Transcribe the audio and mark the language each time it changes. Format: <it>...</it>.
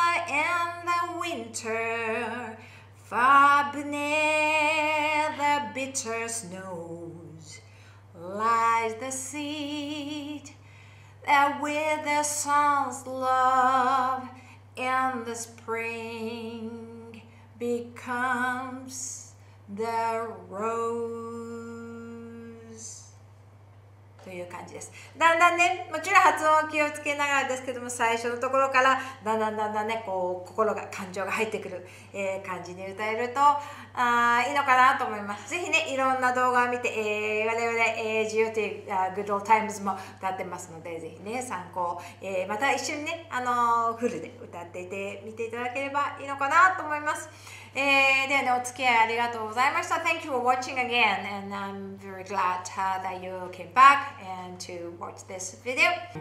<en>in the winter far beneath the bitter snows lies the seedAnd with the sun's love and the spring becomes the rose</en> <ja>という感じです。だんだんね、もちろん発音を気をつけながらですけども、最初のところからだんだんだんだんね、こう心が感情が入ってくる、感じに歌えるとあいいのかなと思います。ぜひね、いろんな動画を見て、我々、GOT、Good Old Times も歌ってますので、ぜひね、参考、また一緒にね、フルで歌っていて、見ていただければいいのかなと思います。ではね、お付き合いありがとうございました。</ja> <en>Thank you for watching again, and I'm very glad that you came back and to watch this video.</en>